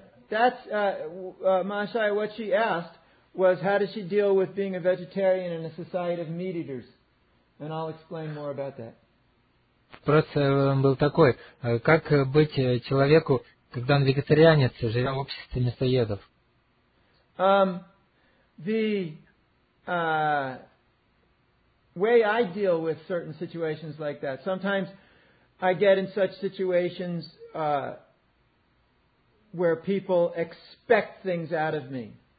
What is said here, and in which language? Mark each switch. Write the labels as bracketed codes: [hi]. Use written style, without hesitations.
[en] That's Mahashaya, what she asked was, how does she deal with being a vegetarian in a society of meat eaters? And I'll explain more about that. [ru] Вопрос был такой, как быть человеку, когда он вегетарианец, живя в обществе мясоедов? [en] Way I deal with certain situations like that. Sometimes I get in such situations where people expect things out of me.